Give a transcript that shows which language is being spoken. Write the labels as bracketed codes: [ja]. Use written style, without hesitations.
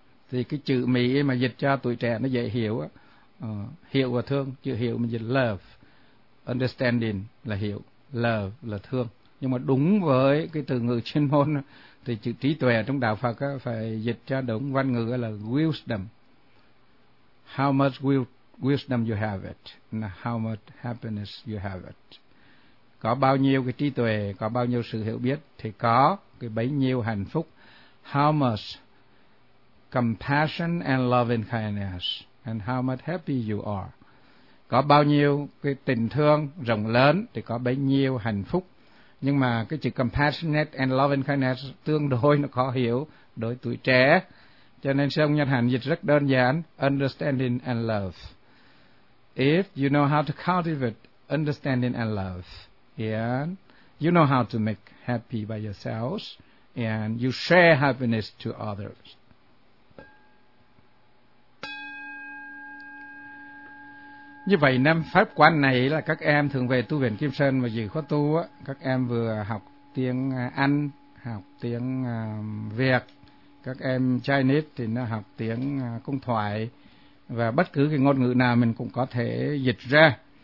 [vi] Thì cái chữ Mỹ mà dịch cho tuổi trẻ nó dễ hiểu, hiểu và thương, chữ hiểu mình dịch love, understanding là hiểu, love là thương. Nhưng mà đúng với cái từ ngữ chuyên môn thì chữ trí tuệ trong đạo Phật phải dịch cho đúng văn ngữ là wisdom. [en] How much wisdom you have it, and how much happiness you have it. [vi] Có bao nhiêu cái trí tuệ, có bao nhiêu sự hiểu biết thì có cái bấy nhiêu hạnh phúc. [en] How much compassion and loving kindness, and how much happy you are. [vi] Có bao nhiêu cái tình thương rộng lớn thì có bấy nhiêu hạnh phúc. Nhưng mà cái chữ [en] compassionate and loving kindness [vi] tương đối nó khó hiểu đối tuổi trẻ. Cho nên sư ông Nhật Hạnh dịch rất đơn giản, [en] understanding and love. If you know how to cultivate understanding and love, and you know how to make happy by yourselves, and you share happiness to others. [vi] Như vậy năm pháp quan này là các em thường về tu viện Kim Sơn và dự khóa tu, các em vừa học tiếng Anh, học tiếng Việt, các em Chinese thì nó học tiếng công thoại, và bất cứ cái ngôn ngữ nào mình cũng có thể dịch ra.